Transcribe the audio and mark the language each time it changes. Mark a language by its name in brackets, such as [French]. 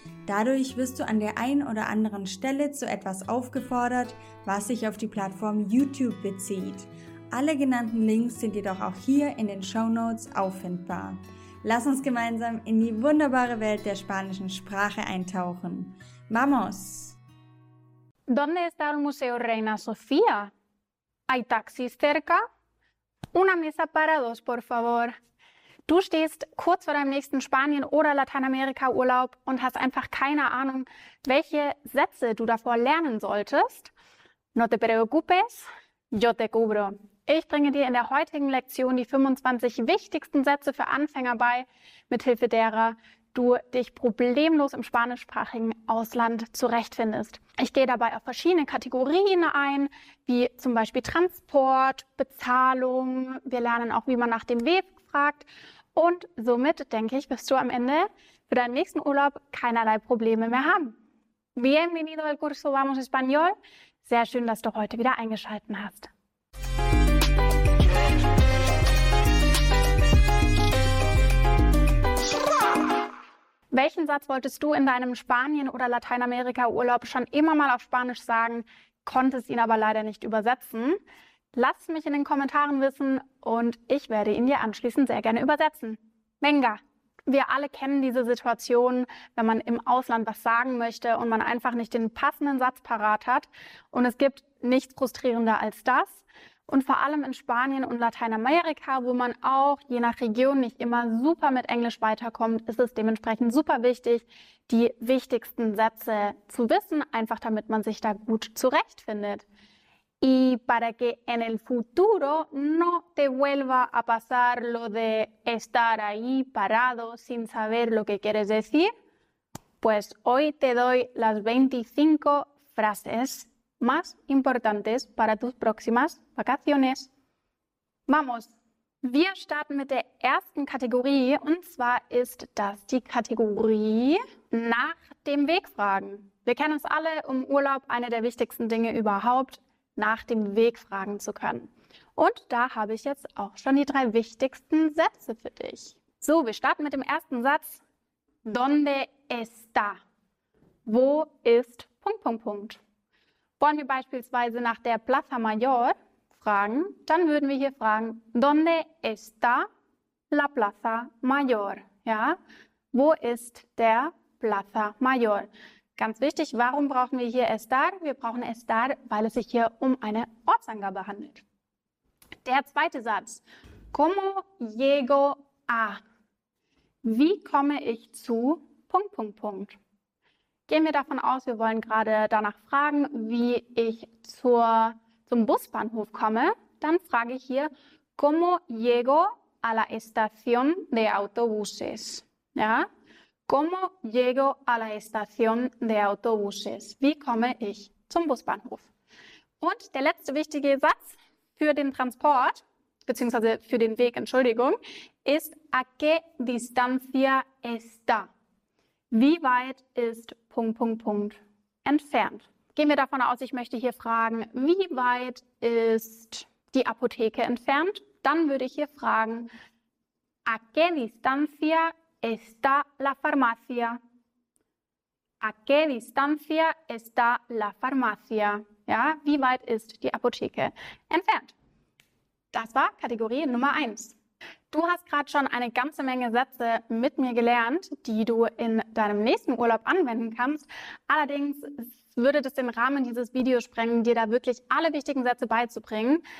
[German] Dadurch wirst du an der einen oder anderen Stelle zu etwas aufgefordert, was sich auf die Plattform YouTube bezieht. Alle genannten Links sind jedoch auch hier in den Shownotes auffindbar. Lass uns gemeinsam in die wunderbare Welt der spanischen Sprache eintauchen. [Spanish] ¡Vamos! ¿Dónde está el Museo Reina Sofía? ¿Hay taxis cerca? Una mesa para dos, por favor. [German] Du stehst kurz vor deinem nächsten Spanien- oder Lateinamerika-Urlaub und hast einfach keine Ahnung, welche Sätze du davor lernen solltest. [Spanish] No te preocupes. Yo te cubro. [German] Ich bringe dir in der heutigen Lektion die 25 wichtigsten Sätze für Anfänger bei, mithilfe derer du dich problemlos im spanischsprachigen Ausland zurechtfindest. Ich gehe dabei auf verschiedene Kategorien ein, wie zum Beispiel Transport, Bezahlung. Wir lernen auch, wie man nach dem Weg fragt. Und somit, denke ich, wirst du am Ende für deinen nächsten Urlaub keinerlei Probleme mehr haben. [Spanish] Bienvenido al curso Vamos Español. [German] Sehr schön, dass du heute wieder eingeschaltet hast. Welchen Satz wolltest du in deinem Spanien- oder Lateinamerika-Urlaub schon immer mal auf Spanisch sagen, konntest ihn aber leider nicht übersetzen? Lass mich in den Kommentaren wissen und ich werde ihn dir anschließend sehr gerne übersetzen. [Spanish] Venga! [German] Wir alle kennen diese Situation, wenn man im Ausland was sagen möchte und man einfach nicht den passenden Satz parat hat. Und es gibt nichts frustrierender als das. Und vor allem in Spanien und Lateinamerika, wo man auch je nach Region nicht immer super mit Englisch weiterkommt, ist es dementsprechend super wichtig, die wichtigsten Sätze zu wissen, einfach damit man sich da gut zurechtfindet. [Spanish] Y para que en el futuro no te vuelva a pasar lo de estar ahí parado sin saber lo que quieres decir, pues hoy te doy las 25 frases más importantes para tus próximas vacaciones. ¡Vamos! [German] Wir starten mit der ersten Kategorie und zwar ist das die Kategorie nach dem Weg fragen. Wir kennen es alle im Urlaub, eine der wichtigsten Dinge überhaupt, nach dem Weg fragen zu können. Und da habe ich jetzt auch schon die drei wichtigsten Sätze für dich. So, wir starten mit dem ersten Satz. [Spanish] ¿Dónde está? [German] Wo ist Punkt, Punkt, Punkt? Wollen wir beispielsweise nach der Plaza Mayor fragen, dann würden wir hier fragen, [Spanish] ¿Dónde está la Plaza Mayor? [German] Ja, wo ist der Plaza Mayor? Ganz wichtig, warum brauchen wir hier estar? Wir brauchen estar, weil es sich hier um eine Ortsangabe handelt. Der zweite Satz. [Spanish] ¿Cómo llego a? [German] Wie komme ich zu? Punkt, Punkt, Punkt. Gehen wir davon aus, wir wollen gerade danach fragen, wie ich zum Busbahnhof komme. Dann frage ich hier, [Spanish] ¿Cómo llego a la estación de autobuses? [German] Ja? [Spanish] ¿Cómo llego a la estación de autobuses? [German] Wie komme ich zum Busbahnhof? Und der letzte wichtige Satz für den Transport, beziehungsweise für den Weg, Entschuldigung, ist [Spanish] ¿A qué distancia está? [German] Wie weit ist Punkt, Punkt, Punkt entfernt? Gehen wir davon aus, ich möchte hier fragen, wie weit ist die Apotheke entfernt? Dann würde ich hier fragen [Spanish] ¿A qué distancia está la farmacia? ¿A qué distancia está la farmacia? [German] Ja, wie weit ist die Apotheke entfernt? Das war Kategorie Nummer 1. Du hast gerade schon eine ganze Menge Sätze mit mir gelernt, die du in deinem nächsten Urlaub anwenden kannst. Allerdings würde das den Rahmen dieses Videos sprengen, dir da wirklich alle wichtigen Sätze beizubringen.